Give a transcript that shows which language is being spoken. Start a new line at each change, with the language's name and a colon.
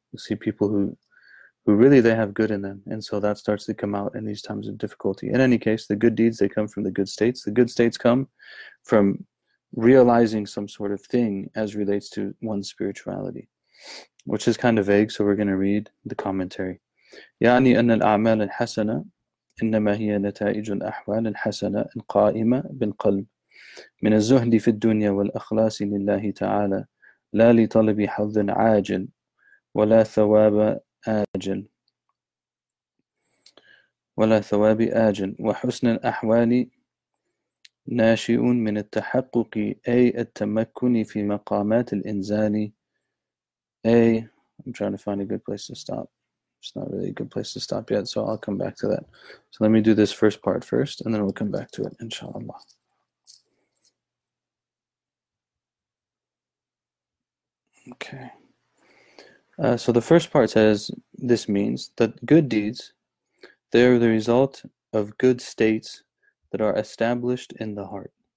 English: You'll see people who really they have good in them, and so that starts to come out in these times of difficulty. In any case, the good deeds, they come from the good states. The good states come from realizing some sort of thing as relates to one's spirituality, which is kind of vague, so we're going to read the commentary.
Arabic: يعني أن الأعمال الحسنة إنما هي نتائج الأحوال الحسنة القائمة بالقلب من الزهد في الدنيا والإخلاص لله تعالى لا لطلب حظ عاجل ولا ثواب آجل ولا ثواب آجل وحسن الأحوال ناشئ من التحقق أي التمكن في مقامات الإنزال أي
English: I'm trying to find a good place to stop. It's not really a good place to stop yet, so I'll come back to that. So let me do this first part first, and then we'll come back to it, inshallah. Okay. So the first part says, this means that good deeds, they are the result of good states that are established in the heart.